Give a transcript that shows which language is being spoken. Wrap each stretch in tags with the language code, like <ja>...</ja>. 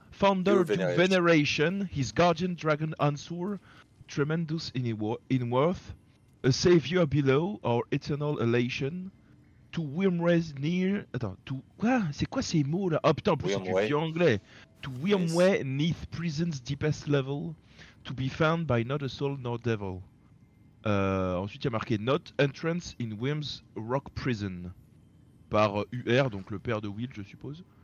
<en>Founder to Veneration, his guardian dragon Ansur, tremendous in worth, a savior below, our eternal elation... To Wyrmwë's near...</en> <fr>Attends,</fr> <en>to...</en> <fr>Quoi? C'est quoi ces mots là? Oh putain, en plus c'est du vieux anglais.</fr> <en>To Wyrmwë yes. Neath prison's deepest level. To be found by not a soul nor devil.</en> <fr>Ensuite il y a marqué</fr> <en>Not entrance in Wyrm's rock prison.</en> <fr>Par UR, donc le père de Will, je suppose.</fr>